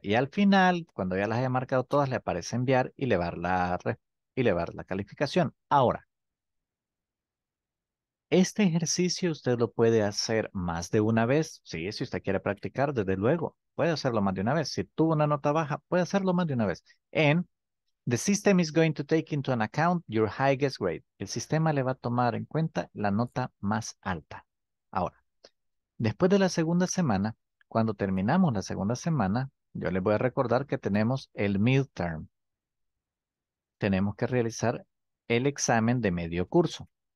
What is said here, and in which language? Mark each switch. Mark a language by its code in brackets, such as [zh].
[es] Y al final, cuando ya las haya marcado todas, le aparece enviar y elevar la calificación. Ahora, este ejercicio usted lo puede hacer más de una vez. Sí, si usted quiere practicar, desde luego, puede hacerlo más de una vez. Si tuvo una nota baja, puede hacerlo más de una vez. [en] And the system is going to take into an account your highest grade. [es] El sistema le va a tomar en cuenta la nota más alta. Ahora, después de la segunda semana, cuando terminamos la segunda semana, yo les voy a recordar que tenemos el midterm. Tenemos que realizar el examen de medio curso.